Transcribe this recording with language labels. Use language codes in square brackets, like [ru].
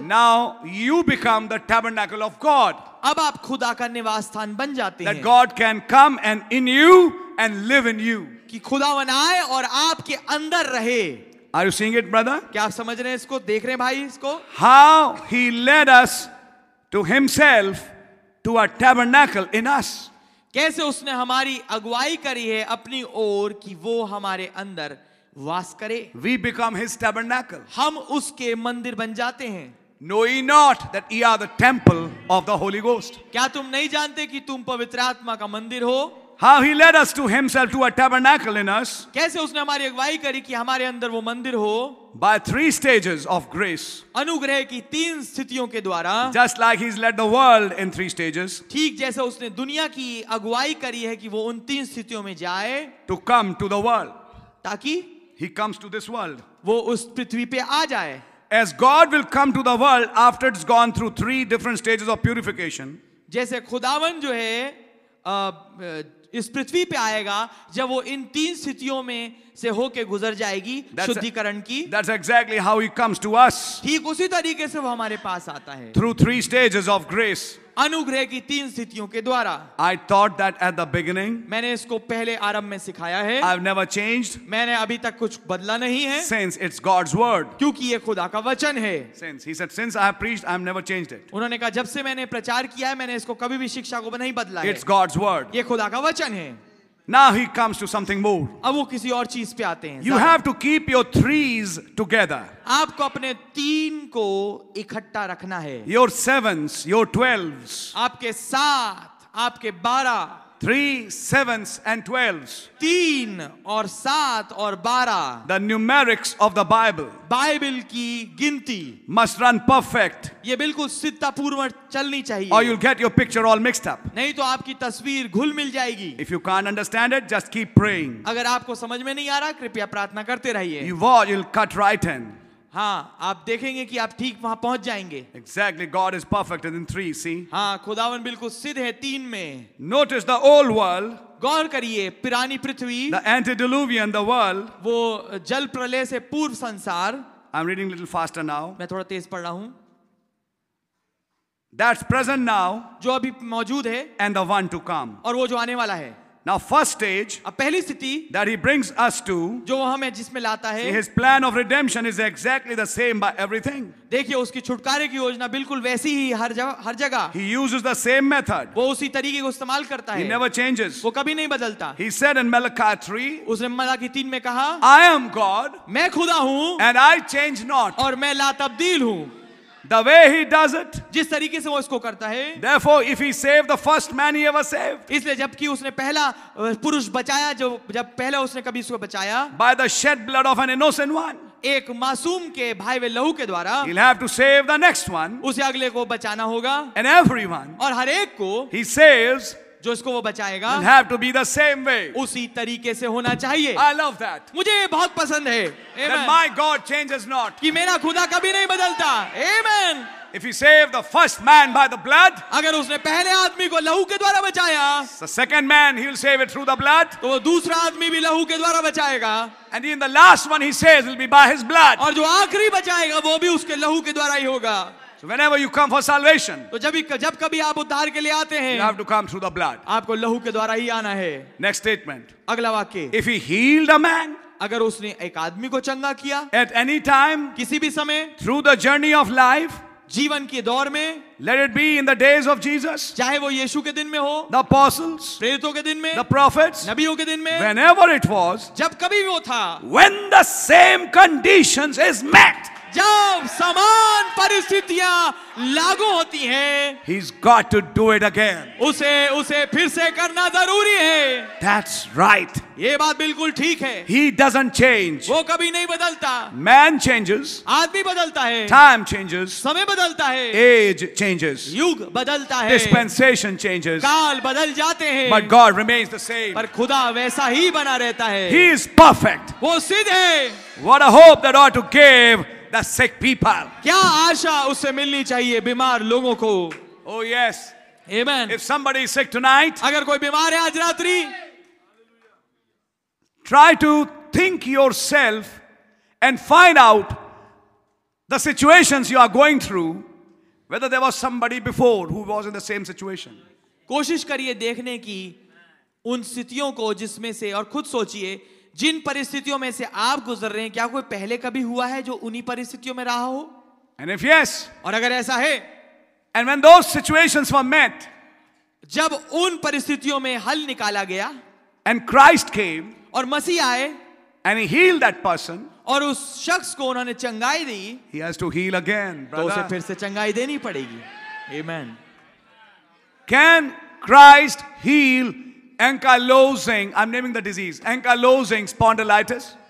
[en] Now you become the tabernacle of God. [hi] अब आप खुदा का निवास स्थान बन जाते [en] हैं That God can come and in you and live in you. [hi] कि खुदावन आए और आपके अंदर रहे [en] Are you seeing it, brother? [hi] क्या आप समझ रहे हैं इसको देख रहे हैं भाई इसको [en] How he led us to himself to our tabernacle in us. [hi] कैसे उसने हमारी अगुवाई करी है अपनी ओर कि वो हमारे अंदर वास करे. [en] We become his tabernacle. [hi] हम उसके मंदिर बन जाते हैं. [en] Know ye not that ye are the temple of the Holy Ghost? [hi] क्या तुम नहीं जानते कि तुम पवित्र आत्मा का मंदिर हो? [en] How he led us to himself to a tabernacle in us? [hi] कैसे उसने हमारी अगुवाई करी कि हमारे अंदर वो मंदिर हो? [en] By three stages of grace. [hi] अनुग्रह की तीन स्थितियों के द्वारा. [en] Just like he's led the world in three stages. [hi] ठीक जैसे उसने दुनिया की अगुवाई करी है कि वो उन तीन स्थितियों में जाए. [en] To come to the world. [hi] ताकि. [en] He comes to this world. [hi] वो उस पृथ्वी पे आ जाए. [en] As God will come to the world after it's gone through three different stages of purification. [hi] जैसे खुदावन जो है इस पृथ्वी पे आएगा जब वो इन तीन स्थितियों में से होके गुजर जाएगी शुद्धिकरण की. [en] That's exactly how he comes to us. [hi] ठीक उसी तरीके से वो हमारे पास आता है. [en] Through three stages of grace. [hi] अनुग्रह की तीन स्थितियों के द्वारा. [en] I taught that at the beginning. [hi] मैंने इसको पहले आरंभ में सिखाया है. [en] I've never changed. [hi] मैंने अभी तक कुछ बदला नहीं है. [en] Since it's God's word. [hi] क्योंकि ये खुदा का वचन है. [en] Since he said, since I have preached, I've never changed it. [hi] उन्होंने कहा जब से मैंने प्रचार किया है मैंने इसको कभी भी शिक्षा को नहीं बदला. [en] It's God's word. [hi] ये खुदा का वचन है. [en] Now he comes to something more. [hi] अब वो किसी और चीज पे आते हैं. [en] You have to keep your threes together. [hi] आपको अपने तीन को इकट्ठा रखना है. [en] Your sevens, your twelves. [hi] आपके सात, आपके बारह. [en] Three, sevens and twelves. [hi] तीन और सात और बारह. [en] The numerics of the Bible. [hi] Bible की गिनती. [en] Must run perfect. [hi] ये बिल्कुल सिद्धता पूर्वक चलनी चाहिए. [en] Or you'll get your picture all mixed up. [hi] नहीं तो आपकी तस्वीर घुल मिल जाएगी. [en] If you can't understand it, just keep praying. [hi] अगर आपको समझ में नहीं आ रहा कृपया प्रार्थना करते रहिए. [en] You watch, you'll cut right in. [hi] हाँ आप देखेंगे कि आप ठीक वहां पहुंच जाएंगे. [en] Exactly, God is perfect in three, see? [hi] हाँ खुदावन बिल्कुल सिद्ध है तीन में. [en] Notice the old world. [hi] गौर करिए पुरानी पृथ्वी. [en] The antediluvian, the world. [hi] वो जल प्रलय से पूर्व संसार. [en] I'm reading a little faster now. [hi] मैं थोड़ा तेज पढ़ रहा हूं. [en] That's present now. [hi] जो अभी मौजूद है. [en] And the one to come. [hi] और वो जो आने वाला है. [en] Now first stage, [hi] पहली स्थिति, [en] that he brings us to, [hi] जो हमें जिसमें लाता है, [en] his plan of redemption is exactly the same by everything. [hi] देखिए उसकी छुटकारे की योजना बिल्कुल वैसी ही हर जगह. [en] He uses the same method. [hi] वो उसी तरीके को इस्तेमाल करता है. [en] He never changes. [hi] वो कभी नहीं बदलता. [en] He said in Malachi 3, [hi] उसने मलाकी 3 में कहा, [en] I am God, [hi] मैं खुदा हूँ, [en] and I change not, [hi] और मैं लातब्दील हूँ. [en] The way he does it. [hi] जिस तरीके से वो इसको करता है. [en] Therefore, if he saved the first man he ever saved. [hi] इसलिए जबकि उसने पहला पुरुष बचाया जब पहले उसने कभी उसको बचाया. [en] By the shed blood of an innocent one. [hi] एक मासूम के भाई वे लहू के द्वारा. [en] He'll have to save the next one. [hi] उसे अगले को बचाना होगा. [en] And everyone. [hi] और हर एक को. [en] He saves. [hi] जो इसको वो बचाएगा. [en] Will have to be the same way. [hi] उसी तरीके से होना चाहिए. [en] I love that. [hi] मुझे ये बहुत पसंद है. [en] That my God changes not. [hi] कि मेरा खुदा कभी नहीं बदलता. [en] Amen. If he saved the first man by the blood. [hi] अगर उसने पहले आदमी को लहू के द्वारा बचाया. [en] The second man he'll save it through the blood. [hi] तो वो दूसरा आदमी भी लहू के द्वारा बचाएगा. [en] And in the last one he says will be by his blood. [hi] और जो आखिरी बचाएगा वो भी उसके लहू के द्वारा ही होगा. [en] So whenever you come for salvation, [hi] तो जब कभी आप उद्धार के लिए आते हैं, [en] you have to come through the blood. [hi] आपको लहू के द्वारा ही आना है. [en] Next statement. [hi] अगला वाक्य. [en] If he healed a man, [hi] अगर उसने एक आदमी को चंगा किया, [en] at any time, [hi] किसी भी समय, [en] through the journey of life, [hi] जीवन के दौर में, [en] let it be in the days of Jesus, [hi] चाहे वो यीशु के दिन में हो, [en] the apostles, [hi] प्रेरितों के दिन में, [en] the prophets, [hi] नबियों के दिन में, [en] whenever it was, [hi] जब कभी वो था, [en] when the same conditions is met. [hi] जब समान परिस्थितियां लागू होती हैं, [en] he's got to do it again. [hi] उसे फिर से करना जरूरी है. [en] That's right. [hi] ये बात बिल्कुल ठीक है. [en] He doesn't change. [hi] वो कभी नहीं बदलता. [en] Man changes. [hi] आदमी बदलता है. [en] Time changes. [hi] समय बदलता है. [en] Age changes. [hi] युग बदलता है. [en] Dispensation changes. [hi] काल बदल जाते हैं. [en] But God remains the same. [hi] पर खुदा वैसा ही बना रहता है. [en] He is perfect. [hi] वो सिद्ध है. [en] What a hope that ought to give the sick people. [hi] क्या आशा उसे मिलनी चाहिए बीमार लोगों को. [en] Oh yes. Amen. If somebody is sick tonight, [hi] अगर कोई बीमार है आज रात्रि, [en] try to think yourself and find out the situations you are going through, whether there was somebody before who was in the same situation. [hi] कोशिश करिए देखने की उन स्थितियों को जिसमें से, और खुद सोचिए जिन परिस्थितियों में से आप गुजर रहे हैं क्या कोई पहले कभी हुआ है जो उन्हीं परिस्थितियों में रहा हो. [en] And if yes, [hi] और अगर ऐसा है, [en] and when those situations were met, [hi] जब उन परिस्थितियों में हल निकाला गया [en] and Christ came [hi] और मसीह आए [en] and he healed that person [hi] और उस शख्स को उन्होंने चंगाई दी [en] he has to heal again [hi] तो उसे फिर से चंगाई देनी पड़ेगी आमेन [en] can Christ heal ankylosing I am naming the disease ankylosing spondylitis